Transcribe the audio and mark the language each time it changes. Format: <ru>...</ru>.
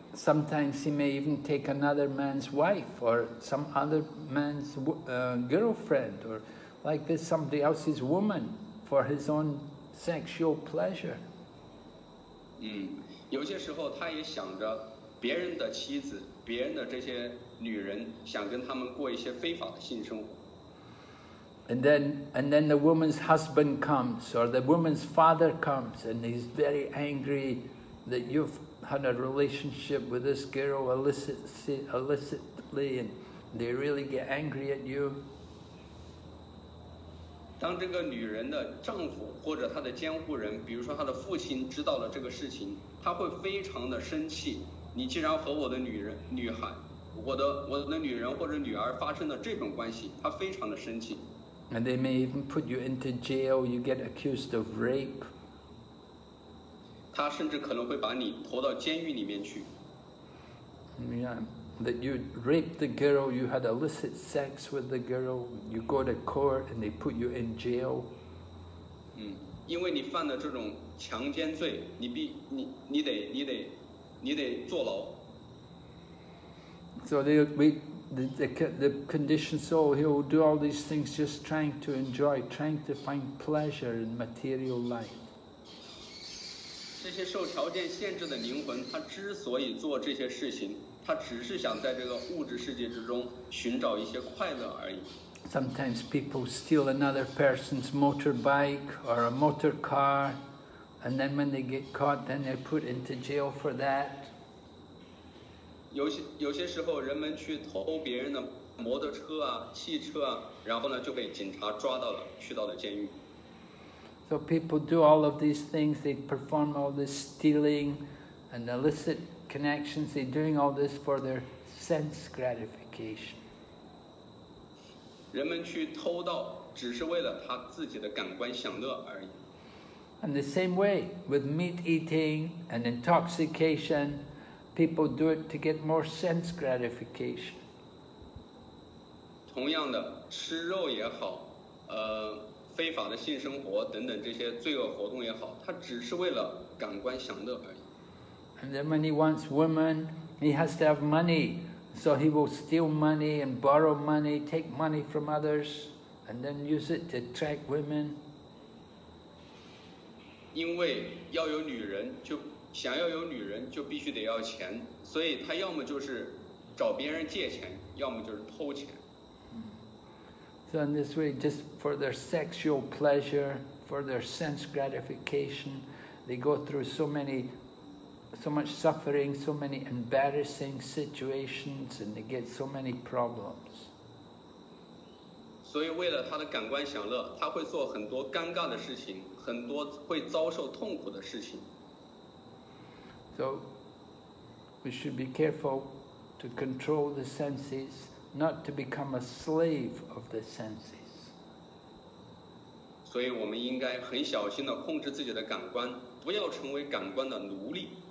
<en>Sometimes he may even take another man's wife or some other man's girlfriend or like this somebody else's woman. For his own sexual pleasure.</en> <zh>有些时候他也想着别人的妻子，别人的这些女人，想跟他们过一些非法的性生活。</zh> <en>And then the woman's husband comes, or the woman's father comes, and he's very angry that you've had a relationship with this girl illicitly, and they really get angry at you.</en> <zh>当这个女人的丈夫或者她的监护人，比如说她的父亲知道了这个事情，她会非常的生气。你既然和我的女人或者女儿发生了这种关系，她非常的生气。</zh> <en>And they may even put you into jail. You get accused of rape.</en> <zh>她甚至可能会把你拖到监狱里面去。</zh> <en>Yeah, that you raped the girl, you had illicit sex with the girl, you go to court and they put you in jail.</en> <zh>因为你犯了这种强奸罪，你得坐牢。</zh> <en>So the conditioned soul, he'll do all these things just trying to enjoy, trying to find pleasure in material life.</en> <zh>这些受条件限制的灵魂，他之所以做这些事情，他只是想在这个物质世界之中寻找一些快乐而已。</zh> <en>Sometimes people steal another person's motorbike or a motor car, and then when they get caught, then they're put into jail for that.</en> <zh>有些时候，人们去偷别人的摩托车啊、汽车啊，然后呢就被警察抓到了，去到了监狱。</zh> <en>So people do all of these things, they perform all this stealing and illicit connections, they're doing all this for their sense gratification.</en> <zh>人们去偷盗只是为了他自己的感官享乐而已。</zh> <en>And the same way with meat eating and intoxication, people do it to get more sense gratification.</en> <zh>同样的，吃肉也好，非法的性生活等等这些罪恶活动也好，他只是为了感官享乐而已。</zh> <en>And then when he wants women, he has to have money, so he will steal money and borrow money, take money from others, and then use it to attract women.</en> <zh>因为要有女人，就想要有女人，就必须得要钱，所以他要么就是找别人借钱，要么就是偷钱。</zh> <en>So in this way, just for their sexual pleasure, for their sense gratification, they go through so much suffering, so many embarrassing situations, and they get so many problems.</en> <zh>所以为了他的感官享乐，他会做很多尴尬的事情，很多会遭受痛苦的事情。</zh> <en>So we should be careful to control the senses. Not to become a slave of the senses.</en> <zh>所以我们应该很小心地控制自己的感官，不要成为感官的奴隶。</zh>